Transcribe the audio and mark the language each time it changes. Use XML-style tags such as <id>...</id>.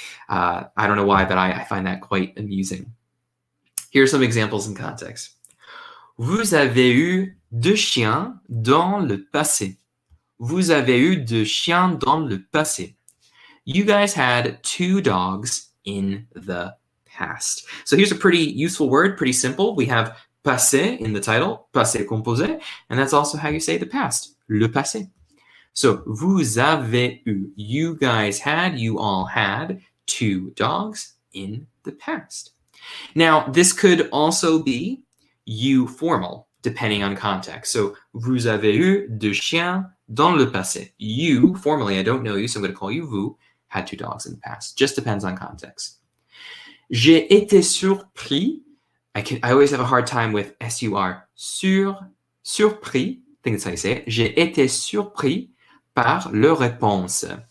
<en>I don't know why, but I find that quite amusing. Here are some examples in context.</en> <fr>Vous avez eu deux chiens dans le passé. Vous avez eu deux chiens dans le passé.</fr> <en>You guys had two dogs in the past. So here's a pretty useful word, pretty simple. We have passé in the title, passé composé, and that's also how you say the past, le passé. So</en> <fr>vous avez eu,</fr> <en>you guys had, you all had two dogs in the past. Now, this could also be you formal, depending on context.</en> <fr>So vous avez eu deux chiens dans le passé.</fr> <en>You, formally, I don't know you, so I'm going to call you vous, had two dogs in the past. Just depends on context.</en> <fr>J'ai été surpris.</fr> <en>I always have a hard time with S-U-R. Surpris. I think that's how you say it.</en> <fr>J'ai été surpris par leur réponse.</fr>